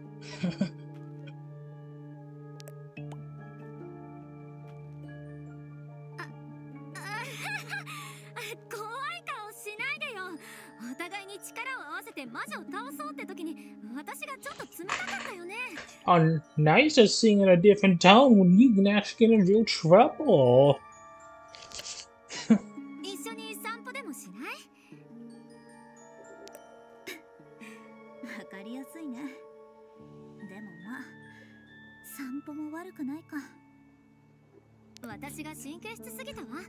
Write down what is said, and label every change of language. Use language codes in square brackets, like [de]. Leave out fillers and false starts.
[ja] 怖い顔しないでよ。お互いに力を合わせて魔女を倒そうって時に、私がちょっと冷たかったよね。 [en] Oh, nice of seeing in a different town when you can actually get in real trouble. [ja] 一緒に散歩でもしない？やりやすいね。でもまあ、散歩も悪くないか。私が神経質すぎたわ。